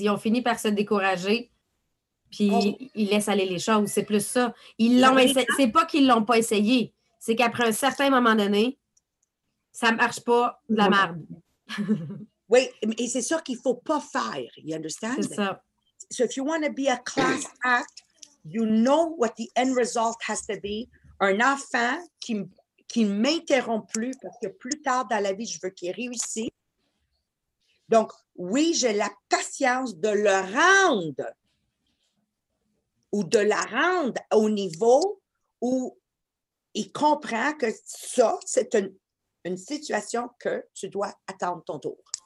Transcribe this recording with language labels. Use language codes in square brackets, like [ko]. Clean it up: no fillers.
[fr] Ils ont fini par se décourager, puis ils laissent aller les choses. C'est plus ça. Ils l'ont essayé. C'est pas qu'ils ne l'ont pas essayé. C'est qu'après un certain moment donné, ça ne marche pas de la merde. Oui, et c'est ça qu'il ne faut pas faire. [en] You understand? [fr] C'est ça. [en] So if you want to be a class act, you know what the end result has to be. [fr] Un enfant qui ne m'interrompt plus parce que plus tard dans la vie, je veux qu'il réussisse. Donc, oui, j'ai la patience de le rendre ou de la rendre au niveau où il comprend que ça, c'est une situation que tu dois attendre ton tour.